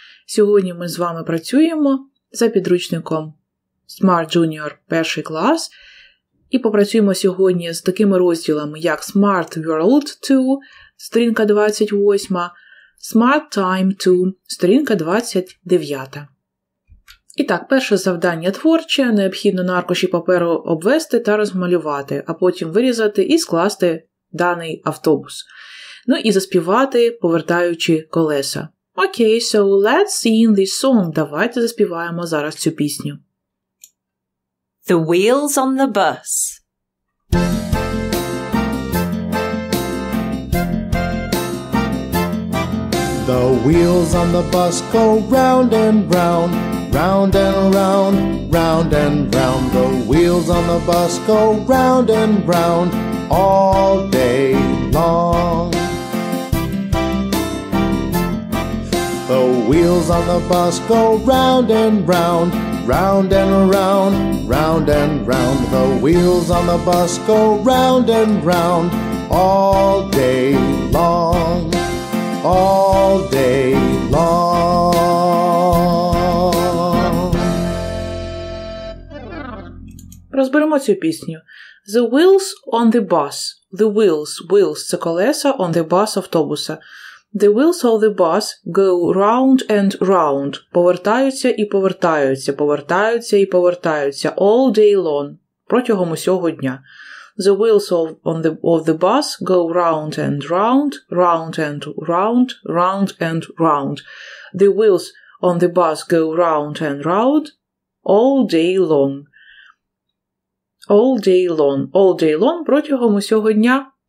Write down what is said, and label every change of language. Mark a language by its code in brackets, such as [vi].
[uk] Сьогодні ми з вами працюємо за підручником Smart Junior 1 клас і попрацюємо сьогодні з такими розділами, як Smart World 2, сторінка 28, Smart Time 2, сторінка 29. І так, перше завдання творче, необхідно на аркуші паперу обвести та розмалювати, а потім вирізати і скласти даний автобус. Ну і заспівати, повертаючи колеса. [en] Окей, so let's sing this song. [uk] Давайте заспіваємо зараз цю пісню. [en] The wheels on the bus. The wheels on the bus go round and round. Round and round, round and round. The wheels on the bus go round and round all day long. The wheels on the bus go round and round. Round and round, round and round. The wheels on the bus go round and round all day long. All day long. [uk] Розберемо цю пісню. [en] The wheels on the bus. The wheels. Wheels – [uk] це колеса [en] on the bus [uk] автобуса. [en] The wheels of the bus go round and round. [uk] Повертаються і повертаються, повертаються і повертаються. [en] All day long. [uk] Протягом усього дня. [en] The wheels of the bus go round and round, round and round, round and round. The wheels on the bus go round and round all day long. All day long. All day long [uk] протягом усього дня.